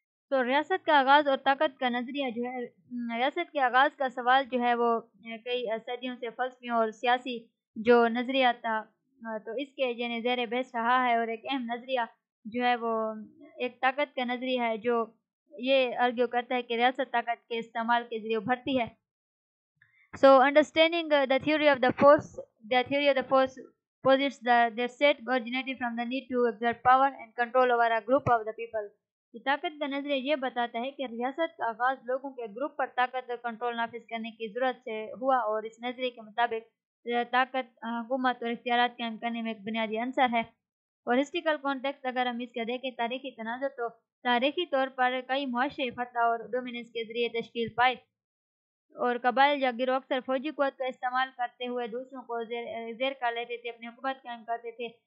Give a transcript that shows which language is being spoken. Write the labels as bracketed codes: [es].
[ur] تو ریاست کا آغاز اور طاقت کا نظریہ جو ہے, ریاست کے آغاز کا سوال جو ہے وہ کئی صدیوں سے فلسفیوں اور سیاسی جو نظریہ تھا تو اس کے یعنی زیر بحث رہا ہے, اور ایک اہم نظریہ جو ہے وہ ایک طاقت کا نظریہ ہے جو یہ آرگیو کرتا ہے کہ ریاست طاقت کے استعمال کے ذریعے ابھرتی ہے. [en] So understanding the theory of the force, the theory of the force posits the their set originated from the need to exert power and control over a group of the people. [ur] یہ طاقت کا نظریہ یہ بتاتا ہے کہ ریاست کا آغاز لوگوں کے گروپ پر طاقت اور کنٹرول نافذ کرنے کی ضرورت سے ہوا, اور اس نظریے کے مطابق طاقت حکومت اور اختیارات قائم کرنے میں ایک بنیادی عنصر ہے. اور ہسٹوریکل کانٹیکسٹ اگر ہم اس کا دیکھیں, تاریخی تناظر, تو تاریخی طور پر کئی معاشرے فتح اور ڈومیننس کے ذریعے تشکیل پائے, اور قبائل یا گروہ اکثر فوجی قوت کا استعمال کرتے ہوئے دوسروں کو زیر کر لیتے تھے, اپنی حکومت قائم کرتے تھے,